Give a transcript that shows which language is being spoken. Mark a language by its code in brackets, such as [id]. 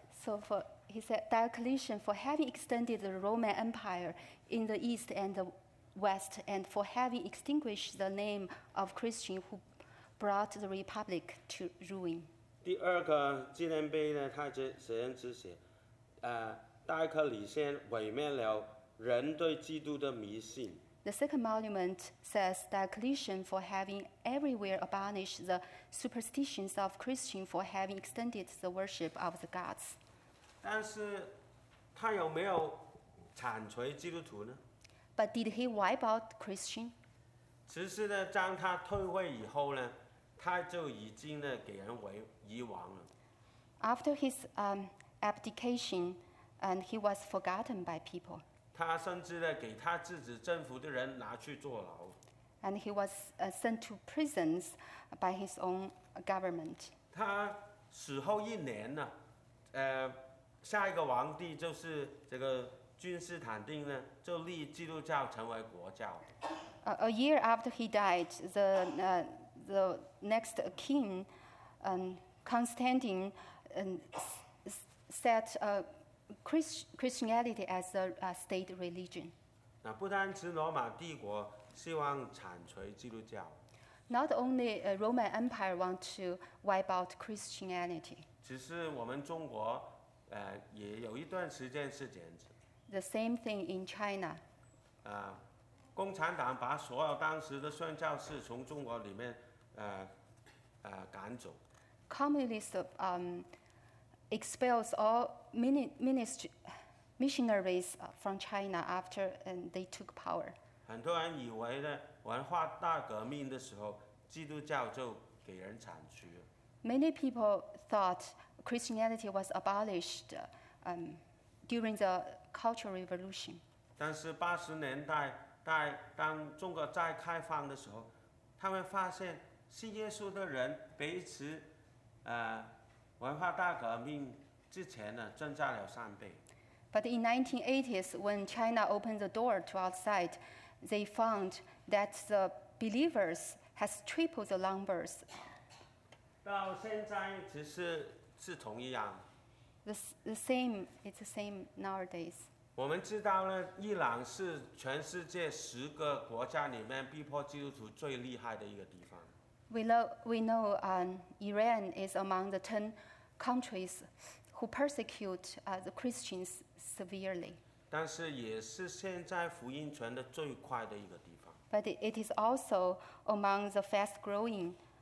[en] So for he said Diocletian for having extended the Roman Empire in the east and the west, and for having extinguished the name of Christian who brought the Republic to ruin. [zh] 第二个纪念碑呢，他这写上只写，戴克里先毁灭了人对基督的迷信。 [en] The second monument says Diocletian for having everywhere abolished the superstitions of Christians for having extended the worship of the gods. [zh] 但是他有没有铲除基督徒呢？ [en] But did he wipe out Christians? [zh] 只是呢，当他退位以后呢，他就已经呢给人遗忘了。 [en] After his abdication, and he was forgotten by people. [zh] 他甚至呢给他自己政府的人拿去坐牢。 [en] And he was sent to prisons by his own government. [zh] 他死后一年呢，下一个皇帝就是这个君士坦丁呢，就立基督教成为国教。 [en] A year after he died, the next king, Constantine, set a Christianity as a state religion. [zh] 那不单是罗马帝国希望铲除基督教。 [en] Not only a Roman Empire want to wipe out Christianity. [zh] 只是我们中国，也有一段时间是这样子。 [en] The same thing in China. [zh] 共产党把所有当时的宣教士从中国里面，赶走。 [en] Communist expels all missionaries from China after they took power. [zh] 很多人以为呢，文化大革命的时候，基督教就给人铲除了。 [en] Many people thought Christianity was abolished during the Cultural Revolution. [zh] 但是八十年代，当中国再开放的时候，他们发现信耶稣的人彼此，文化大革命之前呢，增加了三倍。 [en] But in 1980s, when China opened the door to outside, they found that the believers has tripled the numbers. [zh] 到现在其实是同一样。 [en] It's the same nowadays. [zh] 我们知道呢，伊朗是全世界十个国家里面逼迫基督徒最厉害的一个地方。 [en] We know Iran is among the 10 countries who persecute the Christians severely. [zh] 但是也是现在福音传的最快的一个地方。 [en] But it is also among the fast-growing.